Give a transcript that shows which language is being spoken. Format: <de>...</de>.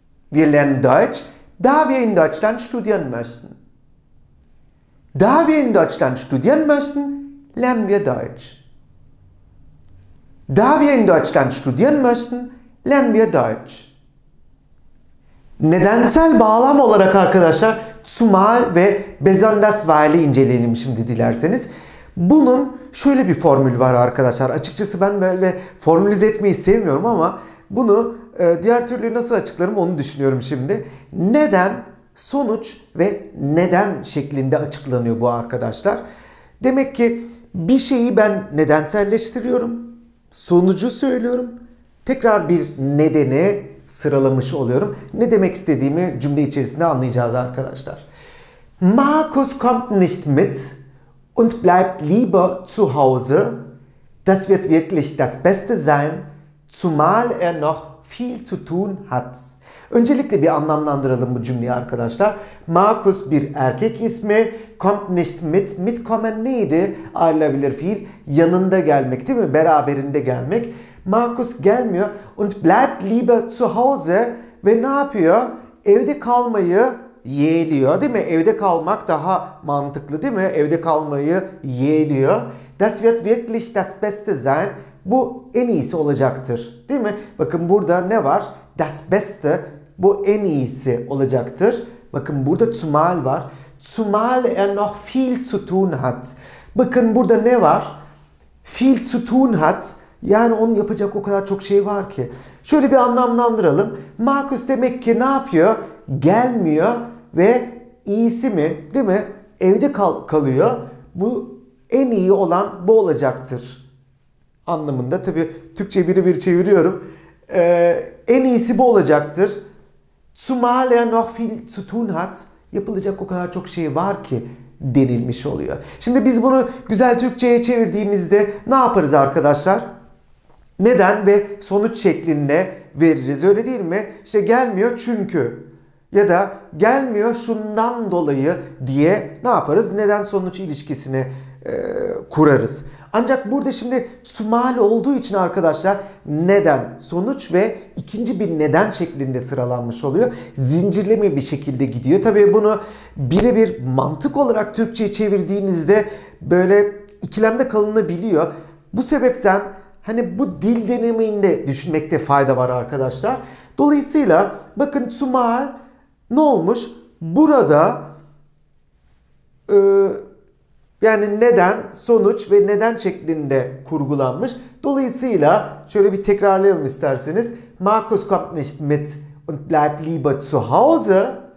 <de>Wir lernen Deutsch, da wir in Deutschland studieren möchten. Da wir in Deutschland studieren möchten, lernen wir Deutsch. Da wir in Deutschland studieren möchten, lernen wir Deutsch.</de> <tr>Nedensel bağlam olarak arkadaşlar zumal ve besonders weil'i inceleyelim şimdi dilerseniz. Bunun şöyle bir formül var arkadaşlar. Açıkçası ben böyle formülize etmeyi sevmiyorum ama bunu diğer türlü nasıl açıklarım onu düşünüyorum şimdi. Neden, sonuç ve neden şeklinde açıklanıyor bu arkadaşlar. Demek ki bir şeyi ben nedenselleştiriyorum, sonucu söylüyorum, tekrar bir nedeni sıralamış oluyorum. Ne demek istediğimi cümle içerisinde anlayacağız arkadaşlar.</tr> <de>Markus kommt nicht mit und bleibt lieber zu Hause. Das wird wirklich das Beste sein, zumal er noch viel zu tun hat.</de> <tr>Öncelikle bir anlamlandıralım bu cümleyi arkadaşlar. Markus bir erkek ismi.</tr> <de>Kommt nicht mit.</de> <tr>Mitkommen neydi? Ayrılabilir fiil. Yanında gelmek değil mi? Beraberinde gelmek. Markus gelmiyor.</tr> <de>Und bleibt lieber zu Hause.</de> <tr>Ve ne yapıyor? Evde kalmayı yeğliyor değil mi? Evde kalmak daha mantıklı değil mi? Evde kalmayı yeğliyor.</tr> <de>Das wird wirklich das Beste sein.</de> <tr>Bu en iyisi olacaktır değil mi? Bakın burada ne var?</tr> <de>Das Beste.</de> <tr>Bu en iyisi olacaktır. Bakın burada zumal var.</tr> <de>Zumal er noch viel zu tun hat.</de> <tr>Bakın burada ne var?</tr> <de>Viel zu tun hat.</de> <tr>Yani onun yapacak o kadar çok şey var ki. Şöyle bir anlamlandıralım. Markus demek ki ne yapıyor? Gelmiyor ve iyisi mi? Değil mi? Evde kalıyor. Bu en iyi olan bu olacaktır. Anlamında. Tabii Türkçe bir çeviriyorum. En iyisi bu olacaktır.</tr> <de>Zumal er noch viel zu tun hat.</de> <tr>Yapılacak o kadar çok şey var ki denilmiş oluyor. Şimdi biz bunu güzel Türkçe'ye çevirdiğimizde ne yaparız arkadaşlar? Neden ve sonuç şeklinde veririz, öyle değil mi? İşte gelmiyor çünkü ya da gelmiyor şundan dolayı diye ne yaparız? Neden sonuç ilişkisini kurarız. Ancak burada şimdi sumal olduğu için arkadaşlar neden, sonuç ve ikinci bir neden şeklinde sıralanmış oluyor. Zincirleme bir şekilde gidiyor. Tabii bunu birebir mantık olarak Türkçe'ye çevirdiğinizde böyle ikilemde kalınabiliyor. Bu sebepten hani bu dil deneyiminde düşünmekte fayda var arkadaşlar. Dolayısıyla bakın sumal ne olmuş? Burada yani neden, sonuç ve neden şeklinde kurgulanmış. Dolayısıyla şöyle bir tekrarlayalım isterseniz.</tr> <de>Markus kommt nicht mit und bleibt lieber zu Hause.</de>